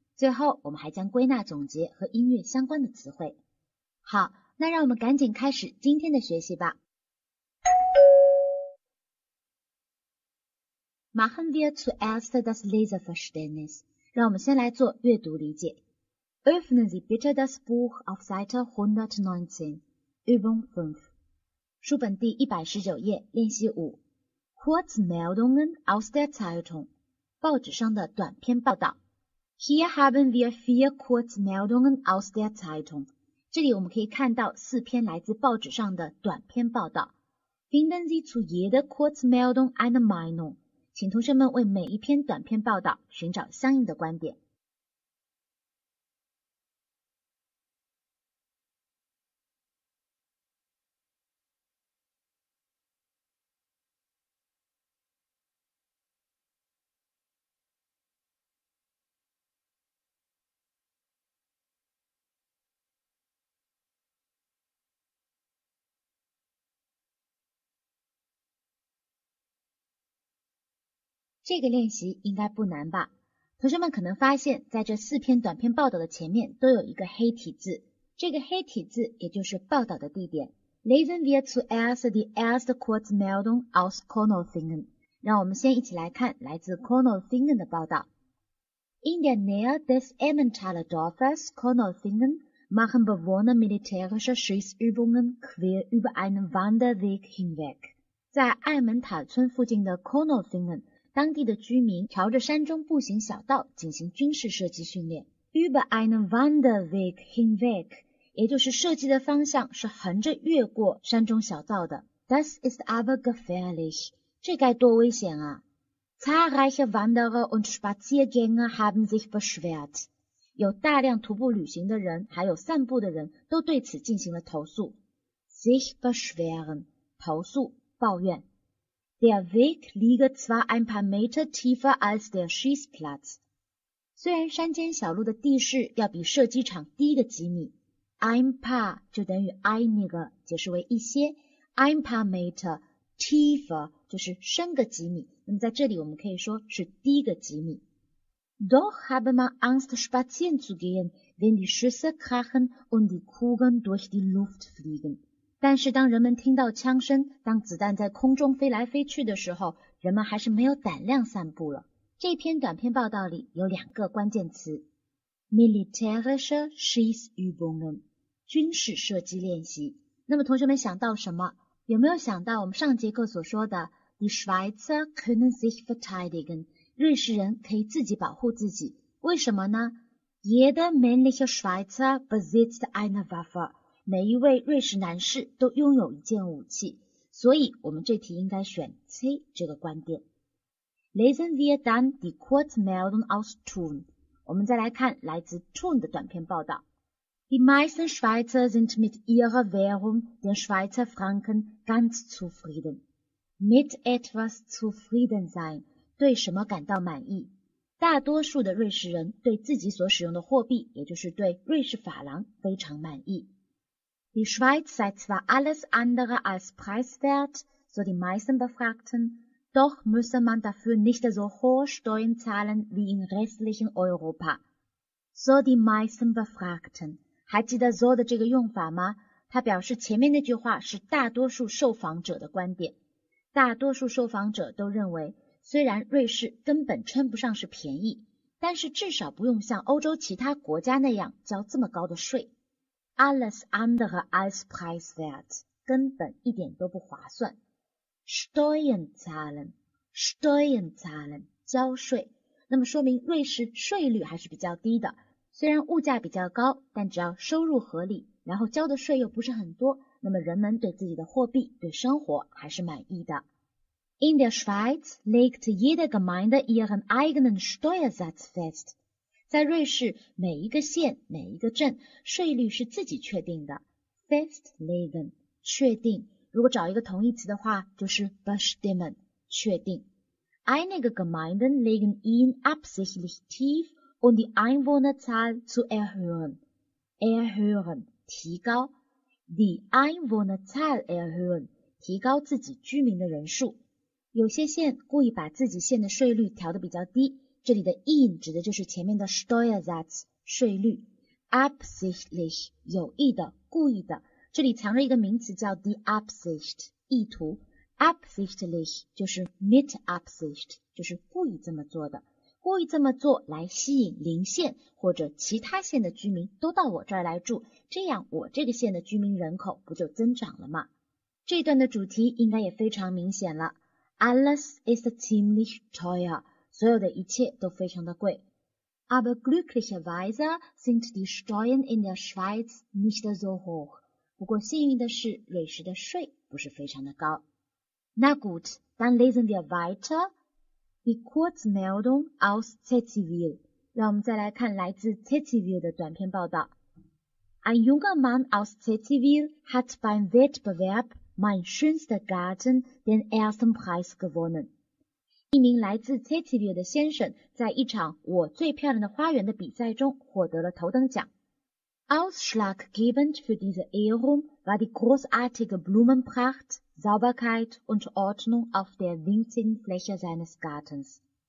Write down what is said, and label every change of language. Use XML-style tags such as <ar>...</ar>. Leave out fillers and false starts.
<zh>最后我们还将归纳总结和音乐相关的词汇。好，那让我们赶紧开始今天的学习吧。</zh> <de>Machen wir zuerst das Leseverständnis。</de> <zh>让我们先来做阅读理解。</zh> <de>Öffnen Sie bitte das Buch auf Seite 119。 Übung 5.</de> <zh>书本第119页，练习 5.</zh> <de>Kurzmeldungen aus der Zeitung.</de> <zh>报纸上的短篇报道。</zh> <de>Hier haben wir 4 Kurzmeldungen aus der Zeitung.</de> <zh>这里我们可以看到四篇来自报纸上的短篇报道。</zh> <de>Finden Sie zu jeder Kurzmeldung eine Meinung.</de> <zh>请同学们为每一篇短篇报道寻找相应的观点。这个练习应该不难吧？同学们可能发现，在这四篇短篇报道的前面都有一个黑体字，这个黑体字也就是报道的地点。</zh> <de>Lesen wir zuerst die erste Kurzmeldung aus Kornofingen.</de> <zh>让我们先一起来看来自 Kornofingen 的报道。</zh> <de>In der Nähe des Emmentaler Dorfes Kornofingen machen Bewohner militärische Schießübungen quer über einen Wanderweg hinweg.</de> <zh>在艾门塔村附近的 Kornofingen，当地的居民朝着山中步行小道进行军事射击训练。</zh> <de>Über einen Wanderweg hinweg，</de> <zh>也就是射击的方向是横着越过山中小道的。</zh> <de>Das ist aber gefährlich，</de> <zh>这该多危险啊！</zh> <de>Zahlreiche Wanderer und Spaziergänger haben sich beschwert，</de> <zh>有大量徒步旅行的人还有散步的人都对此进行了投诉。</zh> <de>Sich beschweren，</de> <zh>投诉抱怨。</zh> <de>Der Weg liege zwar ein paar Meter tiefer als der Schießplatz.</de> <zh>虽然山间小路的地势要比射击场低个几米。 Ein paar 就等于 einige， 解释为一些。</zh> <de>Ein paar Meter tiefer</de> <zh>就是深个几米。那么在这里我们可以说是低个几米。</zh> <de>Doch habe man Angst spazieren zu gehen, wenn die Schüsse krachen und die Kugeln durch die Luft fliegen.</de> <zh>但是当人们听到枪声，当子弹在空中飞来飞去的时候，人们还是没有胆量散步了。这篇短篇报道里有两个关键词</zh> <de>,militärische Schießübungen,</de> <zh>军事射击练习。那么同学们想到什么？有没有想到我们上节课所说的 ,</zh> <de>die Schweizer können sich verteidigen,</de> <zh>瑞士人可以自己保护自己。为什么呢？</zh> <de>Jeder männliche Schweizer besitzt eine Waffe.</de> <zh>每一位瑞士男士都拥有一件武器，所以我们这题应该选 C 这个观点。</zh> <de>Lesen wir dann die Kurzmeldung aus Thun.</de> <zh>我们再来看来自 Thun 的短篇报道。</zh> <de>Die meisten Schweizer sind mit ihrer Währung, den Schweizer Franken, ganz zufrieden. Mit etwas zufrieden sein,</de> <zh>对什么感到满意？大多数的瑞士人对自己所使用的货币，也就是对瑞士法郎非常满意。</zh> <de>Die Schweiz sei zwar alles andere als preiswert, so die meisten Befragten, doch müsse man dafür nicht so hohe Steuern zahlen wie in restlichen Europa. So die meisten befragten，</de> <zh>还记得 so 的这个用法吗？它表示前面那句话是大多数受访者的观点。大多数受访者都认为，虽然瑞士根本称不上是便宜，但是至少不用像欧洲其他国家那样交这么高的税。</zh> <de>Alles andere als preiswert，</de> <zh>根本一点都不划算。</zh> <de>Steuern zahlen， Steuern zahlen，</de> <zh>交税。那么说明瑞士税率还是比较低的，虽然物价比较高，但只要收入合理，然后交的税又不是很多，那么人们对自己的货币、对生活还是满意的。</zh> <de>In der Schweiz legt jede Gemeinde ihren eigenen Steuersatz fest。</de> <zh>在瑞士，每一个县、每一个镇税率是自己确定的。</zh> <de>Festlegen，</de> <zh>确定。如果找一个同义词的话，就是 bestimmen， 确定。</zh> <de>Einige Gemeinden legen ihn absichtlich tief, um die Einwohnerzahl zu erhöhen. Erhöhen，</de> <zh>提高。</zh> <de>Die Einwohnerzahl erhöhen，</de> <zh>提高自己居民的人数。有些县故意把自己县的税率调得比较低，这里的 ihn 指的就是前面的 Steuersatz， 税率。</zh> <de>Absichtlich，</de> <zh>有意的，故意的。这里藏着一个名词叫 die Absicht， 意图。</zh> <de>Absichtlich</de> <zh>就是 mit Absicht， 就是故意这么做的，故意这么做来吸引邻县或者其他县的居民都到我这儿来住，这样我这个县的居民人口不就增长了吗？这段的主题应该也非常明显了。</zh> <de>Alles ist ziemlich teuer，</de> <zh>所有的一切都非常的贵。</zh> <de>Aber glücklicherweise sind die Steuern in der Schweiz nicht so hoch，</de> <zh>不过幸运的是瑞士的税不是非常的高。</zh> <de>Na gut, dann lesen wir weiter. Die Kurzmeldung aus Zetzewil.</de> <zh>让我们再来看来自 Zetzewil 的短篇报道。</zh> <de>Ein junger Mann aus Zetzewil hat beim Wettbewerb Mein schönster Garten den ersten Preis gewonnen.</de> <zh>一名来自 Zetzewil 的先生在一场我最漂亮的花园的比赛中获得了头等奖。</zh> <de>Ausschlaggebend für diese Ehrung war die großartige Blumenpracht, Sauberkeit und Ordnung auf der winzigen Fläche seines Gartens.</de>